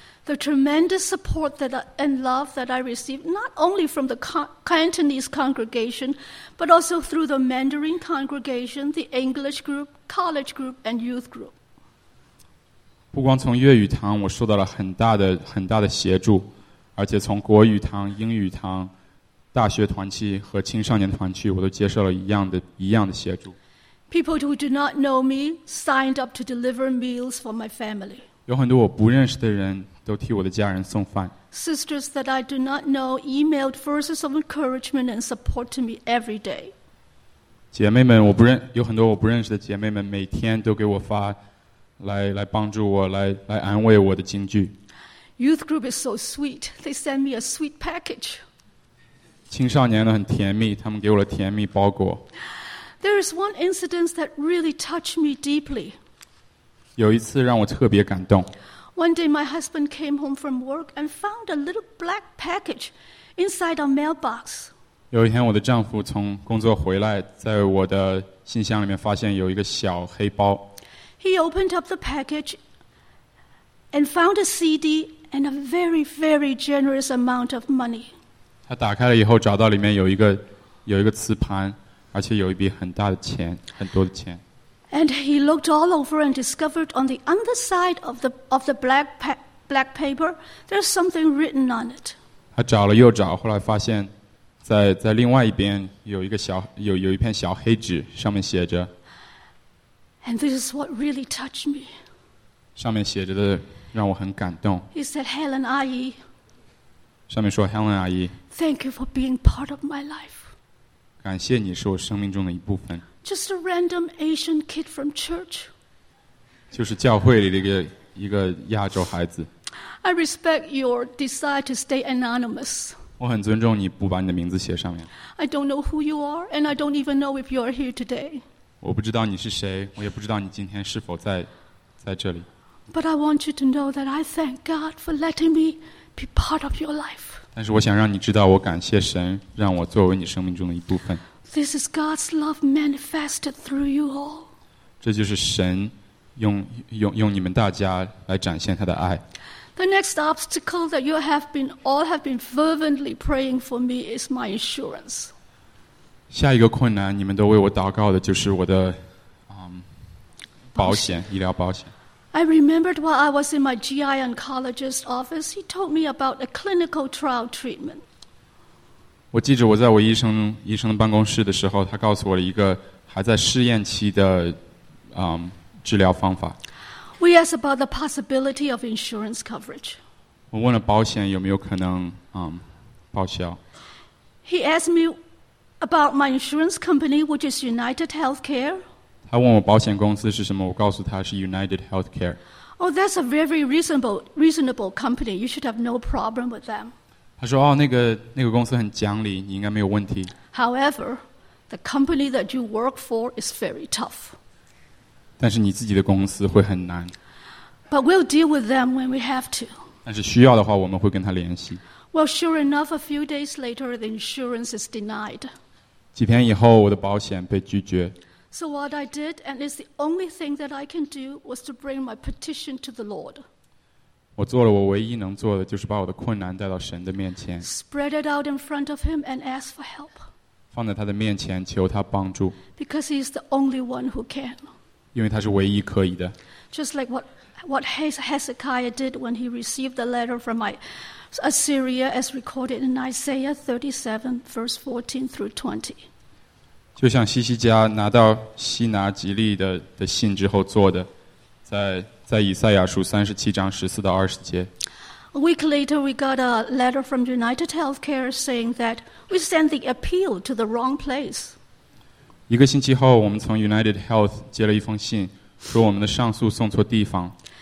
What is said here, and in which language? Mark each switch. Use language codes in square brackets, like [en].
[en] The tremendous support that and love that I received, not only from the Cantonese congregation, but also through the Mandarin congregation, the English group, college group, and youth group. [zh] 不光从粤语堂我受到了很大的协助，而且从国语堂、英语堂、大学团契和青少年团契，我都接受了一样的协助。 [en] People who do not know me signed up to deliver meals for my family. [zh] 有很多我不认识的人都替我的家人送饭。 [en] Sisters that I do not know emailed verses of encouragement and support to me every day. [zh] 姐妹们，有很多我不认识的姐妹们每天都给我发来帮助我，来安慰我的金句。 [en] Youth group is so sweet. They send me a sweet package. [zh] 青少年呢很甜蜜，他们给我了甜蜜包裹。 [en] There is one incident that really touched me deeply. [zh] 有一次让我特别感动。 [en] One day my husband came home from work and found a little black package inside our mailbox. [zh] 有一天我的丈夫从工作回来，在我的信箱里面发现有一个小黑包。 [en] He opened up the package and found a CD and a very, very generous amount of money. [zh] 他打开了以后找到里面有一个磁盘，而且有一笔很大的钱，很多的钱。 [en] And he looked all over and discovered on the underside of the black paper, there's something written on it. [zh] 他找了又找，后来发现在另外一边有一片小黑纸，上面写着。 [en] And this is what really touched me. [zh] 上面写着的让我很感动。 [en] He said, Helen 阿姨。 [zh] 上面说 Helen 阿姨。 [en] Thank you for being part of my life. [zh] 感谢你是我生命中的一部分。 [en] Just a random Asian kid from church. [zh] 就是教会里的一个亚洲孩子。 [en] I respect your desire to stay anonymous. [zh] 我很尊重你不把你的名字写上面。 [en] I don't know who you are, and I don't even know if you are here today. [zh] 我不知道你是谁，我也不知道你今天是否在这里。 [en] But I want you to know that I thank God for letting me be part of your life. [zh] 但是我想让你知道，我感谢神让我作为你生命中的一部分。 [en] This is God's love manifested through you all. [zh] 这就是神用你们大家来展现他的爱。 [en] The next obstacle that you have been fervently praying for me is my insurance. [zh] 下一个困难，你们都为我祷告的就是我的保险，医疗保险。 [en] I remembered while I was in my GI oncologist's office, he told me about a clinical trial treatment. [zh] 我记着我在我医生的办公室的时候，他告诉我了一个还在试验期的治疗方法。 [en] We asked about the possibility of insurance coverage. [zh] 我问了保险有没有可能报销。 [en] He asked me about my insurance company, which is United Healthcare. [zh] 他问我保险公司是什么，我告诉他是 United Healthcare. [en] Oh, that's a very reasonable company. You should have no problem with them. [zh] 他说，那个公司很讲理，你应该没有问题。 [en] However, the company that you work for is very tough. [zh] 但是你自己的公司会很难。 [en] But we'll deal with them when we have to. [zh] 但是需要的话，我们会跟他联系。 [en] Well, sure enough, a few days later, the insurance is denied. [zh] 几天以后，我的保险被拒绝。 [en] So what I did, and it's the only thing that I can do, was to bring my petition to the Lord. [zh] 我做了我唯一能做的，就是把我的困难带到神的面前。 [en] Spread it out in front of him and ask for help. [zh] 放在他的面前，求他帮助。 [en] Because he is the only one who can. [zh] 因为他是唯一可以的。 [en] Just like what what Hezekiah did when he received the letter from Assyria as recorded in Isaiah 37, verse 14 through 20. [zh] 就像西西家拿到西拿吉利 的信之后做的，在以赛亚书37章14到20节。 [en] A week later, we got a letter from United Healthcare saying that we sent the appeal to the wrong place. [zh] 一个星期后，我们从 United Health 接了一封信，说我们的上诉送错地方。